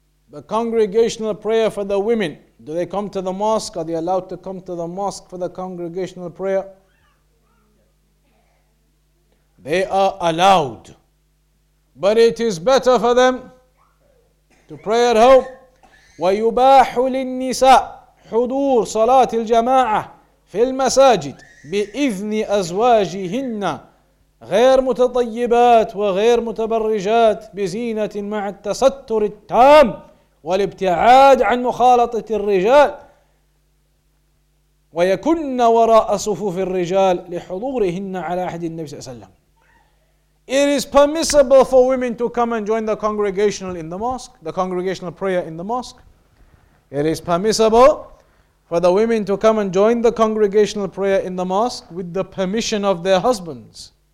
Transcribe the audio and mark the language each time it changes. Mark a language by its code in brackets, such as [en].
[en] The congregational prayer for the women. Do they come to the mosque? Are they allowed to come to the mosque for the congregational prayer? They are allowed. But it is better for them to pray at home. [ar] وَيُبَاحُ لِلنِّسَاءِ حُضُورُ صَلَاةِ الْجَمَاعَةِ فِي الْمَسَاجِدِ بِإِذْنِ أَزْوَاجِهِنَّ غَيْرُ مُتَطَيِّبَاتِ وَغَيْرُ مُتَبَرِّجَاتِ بِزِينَةٍ مَعَ التَّسَتُّرِ التَّامِ والابتعاد عن مخالطة الرجال ويكن وراء صفوف الرجال لحضورهن على عهد النبي صلى الله عليه وسلم. [en] It is permissible for women to come and join the congregational in the mosque, the congregational prayer in the mosque. It is permissible for the women to come and join the congregational prayer in the mosque with the permission of their husbands.